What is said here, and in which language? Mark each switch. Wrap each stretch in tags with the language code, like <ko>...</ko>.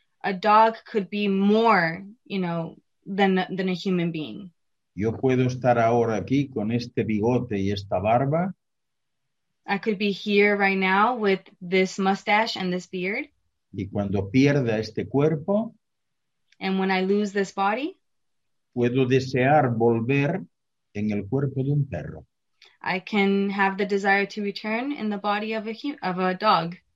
<en>A dog could be more, you know, than a human being.</en> <es>Yo puedo estar ahora aquí con este bigote y esta barba.</es> <en>I could be here right now with this mustache and this beard.</en> <es>Y cuando pierda este cuerpo.</es> <en>And when I lose this body.</en> <es>Puedo desear volver en el cuerpo de un perro.</es> <en>I can have the desire to return in the body of a dog.</en>